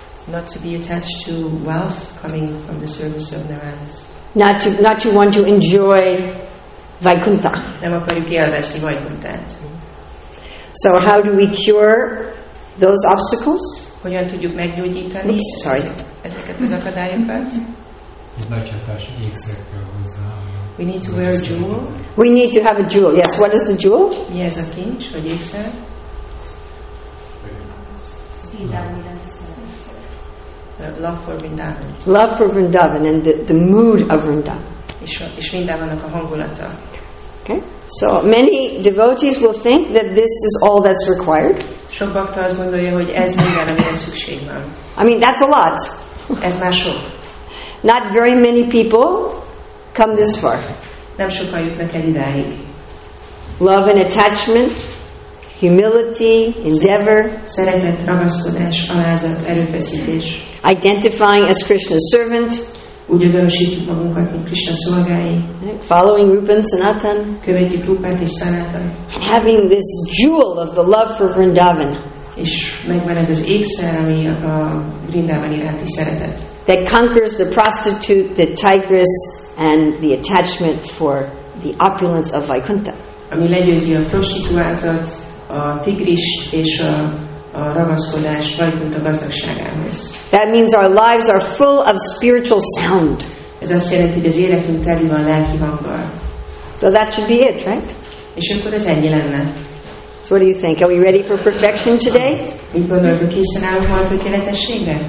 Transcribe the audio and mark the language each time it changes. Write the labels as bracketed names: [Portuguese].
[English] Not to be attached to wealth coming from the service of Narayana. Not to want to enjoy Vaikuntha. [Hungarian] Nem akarjuk élvezni Vaikunthát. [English] So how do we cure those obstacles? [Hungarian] Hogyan tudjuk meggyógyítani ezeket az akadályokat? Egy nagy hatású ékszertől hozzá. [English] We need to wear a jewel. We need to have a jewel. Yes, what is the jewel? [Hungarian] Mi ez a kincs, vagy ékszer? [English] Love for Vrindavan. Love for Vrindavan and the mood of Vrindavan. [Hungarian] És Vrindavannak a hangulata. [English] Okay. So many devotees will think that this is all that's required. [Hungarian] Sok bakta azt gondolja, hogy ez minden, amire szükség van. [English] I mean, that's a lot. [Hungarian] Ez már sok. [English] Not very many people come this far. [Hungarian] Nem sokan jutnak el idáig. [English] Love and attachment, humility, endeavor. [Hungarian] Szeretet, ragaszkodás, alázat, erőfeszítés. [English] Identifying as Krishna's servant. [Hungarian] Úgy azonosítjuk magunkat, mint Krishna szolgái. [English] Following Rupa and Sanatan. [Hungarian] Követjük Rupát és Sanatan. [English] Having this jewel of the love for Vrindavan. [Hungarian] És megvan ez az ékszer, ami a Vrindavan iránti szeretet. [English] That conquers the prostitute, the tigress, and the attachment for the opulence of Vaikuntha. [Hungarian] Ami legyőzi a prostituáltat, a tigris és a ragaszkodás Vaikuntha gazdagságához. [English] That means our lives are full of spiritual sound. [Hungarian] Ez azt jelenti, hogy az életünk teli van lelki hanggal. [English] So that should be it, right? [Hungarian] És akkor ez ennyi lenne. [English] So what do you think? Are we ready for perfection today? [Hungarian] Mit gondoltok, készen állunk majd tökéletességre?